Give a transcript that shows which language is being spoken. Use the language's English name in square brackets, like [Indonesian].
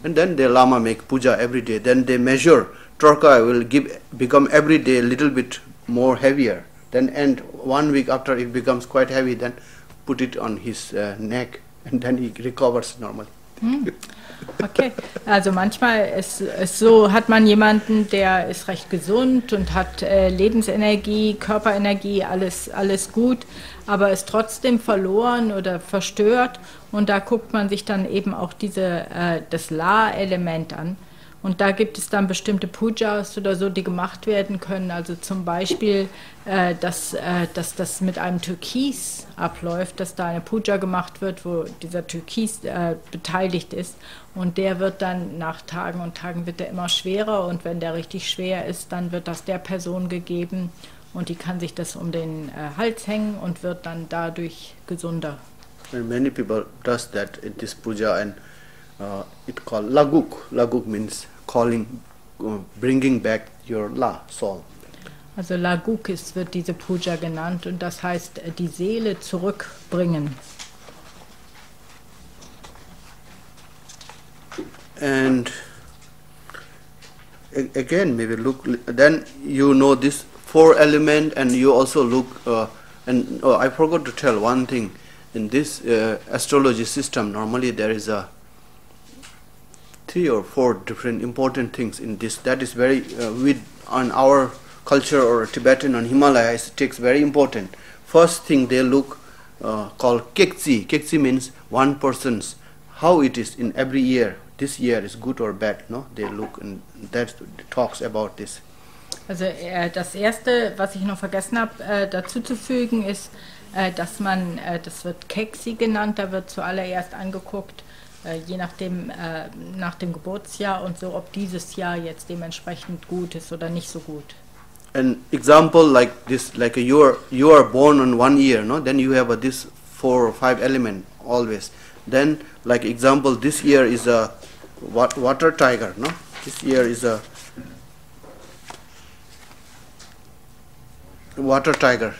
[English] And then the lama make puja every day. Then they measure. Torkai will become every day a little bit more heavier. Then end 1 week after it becomes quite heavy, then put it on his neck and then he recovers normally. [German] Okay, also manchmal ist so, hat man jemanden, der ist recht gesund und hat Lebensenergie, Körperenergie, alles gut, aber ist trotzdem verloren oder verstört, und da guckt man sich dann eben auch das La-Element an, und da gibt es dann bestimmte Pujas oder so, die gemacht werden können, also zum Beispiel, dass das mit einem Türkis abläuft, dass da eine Puja gemacht wird, wo dieser Türkis beteiligt ist. Und der wird dann nach Tagen und Tagen wird er immer schwerer, und wenn der richtig schwer ist, dann wird das der Person gegeben und die kann sich das um den Hals hängen und wird dann dadurch gesunder. [English] And many people does that in this puja, and it called laguk. Laguk means calling, bringing back your la, soul. [German] Also laguk wird diese puja genannt, und das heißt die Seele zurückbringen. [English] And again, maybe look, then you know this four element, and you also look, I forgot to tell one thing. In this astrology system, normally there is a three or four different important things in this. That is very, with on our culture or Tibetan and Himalaya, it takes very important. First thing they look called kekzi. Kekzi means one person's, how it is in every year. This year is good or bad, no? They look and that talks about this. [German] Also das erste, was ich noch vergessen habe dazu zu fügen, ist, dass man, das wird Keksi genannt, da wird zuallererst angeguckt, je nachdem, nach dem Geburtsjahr und so, ob dieses Jahr jetzt dementsprechend gut ist oder nicht so gut. [English] An example like this, like you are born in 1 year, no? Then you have this four or five element always. Then, like example, this year is a water tiger, no? This year is a water tiger.